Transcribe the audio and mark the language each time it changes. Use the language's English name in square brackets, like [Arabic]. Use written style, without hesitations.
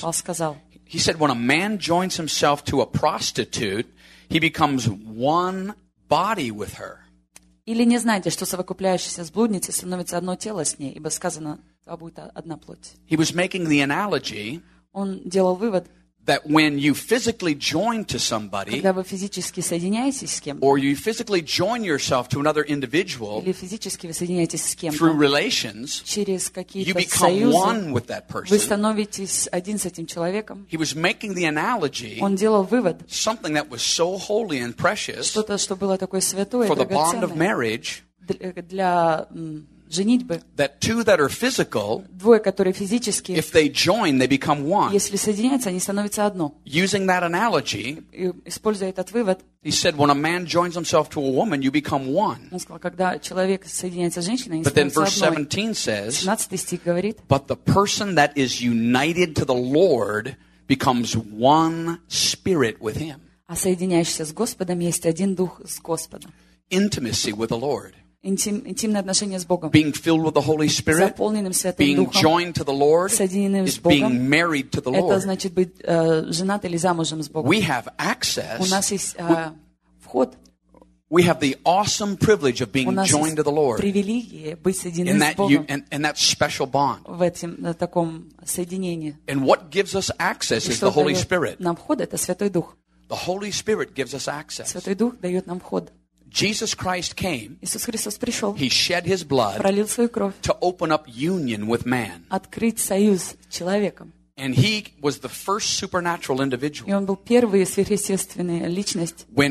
[Russian] Paul сказал, [English] he said, when a man joins himself to a prostitute, he becomes one body with her. [Russian] Или не знаете, что совокупляющийся с блудницей становится одно тело с ней, ибо сказано, то будет одна плоть. [English] He was making the analogy. [Russian] Он делал вывод. [English] That when you physically join to somebody, [Russian] когда вы физически соединяетесь с кем-то, [English] or you physically join yourself to another individual, [Russian] или физически вы соединяетесь с кем-то, [English] through relations, [Russian] через какие-то [English] союзы, you become [Russian] союзы, [English] one with that person. [Russian] Вы становитесь один с этим человеком. [English] He was making the analogy, [Russian] он делал вывод, [English] something that was so holy and precious, [Russian] что-то, что было такое святое, [English] for the bond of marriage, [Russian] для женитьбы. [English] That two that are physical, [Russian] двое, которые физически, [English] if they join, they become one. [Russian] Если соединяются, они становятся одно. [English] Using that analogy, [Russian] используя этот вывод, [English] he said, when a man joins himself to a woman, you become one. [Russian] Он сказал, когда человек соединяется с женщиной, [English] but then verse [Russian] одной. [English] 17 says, [Russian] 17 стих говорит, [English] but the person that is united to the Lord becomes one spirit with him. [Russian] А соединяющийся с Господом есть один дух с Господом. [English] Intimacy with the Lord. [Russian] интимные отношения с Богом, [English] being filled with the Holy Spirit, [Russian] заполненным Святым Духом, [English] being joined to the Lord, [Russian] соединенным с Богом, [English] being married to the Lord. [Russian] Это значит быть женат или замужем с Богом. [English] We have access. [Russian] У нас есть вход. [English] We have the awesome privilege of being joined to the Lord. [Russian] Привилегия быть соединенным с Богом. [English] And that special bond. [Russian] В этом на таком соединении. [English] And what gives us access is the Holy Spirit. [Russian] Нам вход это Святой Дух. [English] The Holy Spirit gives us access. [Russian] Святой Дух дает нам вход. [English] Jesus Christ came. [Russian] Иисус Христос пришел. [English] He shed his blood. [Russian] Пролил свою кровь. [English] To open up union with man. [Russian] Открыть союз с человеком. [English] And he was the first supernatural individual. [Russian] И он был первой сверхъестественной личностью.